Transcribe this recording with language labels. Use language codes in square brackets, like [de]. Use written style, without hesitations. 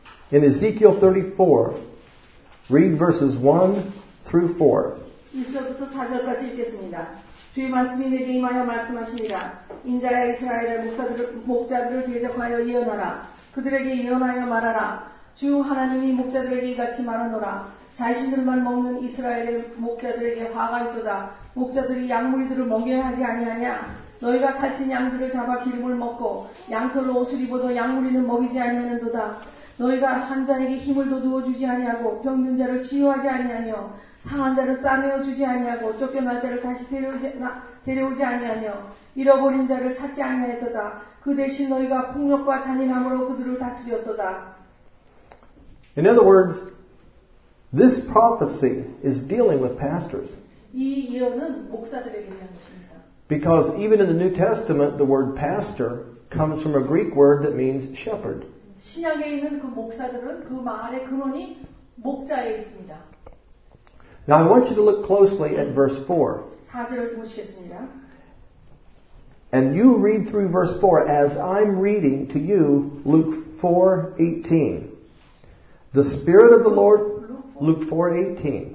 [en] In Ezekiel 34, read verses 1 through 4. [ko] 1절부터 4절까지 읽겠습니다. 주의 말씀이 내게 임하여 말씀하시니라. 인자야 이스라엘의 목자들을 대적하여 예언하라. 그들에게 예언하여 말하라. 주 하나님이 목자들에게 이같이 말하노라. 자신들만 먹는 이스라엘의 목자들에게 화가 있도다. 목자들이 양무리들을 먹여야 하지 아니하냐. 너희가 살찐 양들을 잡아 기름을 먹고 양털로 옷을 입어도 양무리는 먹이지 아니하는도다. 너희가 환자에게 힘을 도두어 주지 아니하고 병든 자를 치유하지 아니하며 상한 자를 싸매어 주지 아니하고 쫓겨난 자를 다시 데려오지 아니하며 잃어버린 자를 찾지 아니하였도다. 그 대신 너희가 폭력과 잔인함으로 그들을 다스렸도다. [en] In other words, this prophecy is dealing with pastors. [ko] 이 예언은 목사들에게 대한 것입니다. [en] Because even in the New Testament, the word pastor comes from a Greek word that means shepherd. [ko] 신약에 있는 그 목사들은 그 말의 근원이 목자에 있습니다. [en] Now I want you to look closely at verse 4. [ko] 4절을 보시겠습니다. [en] And you read through verse 4 as I'm reading to you Luke 4:18. The Spirit of the Lord, Luke 4:18.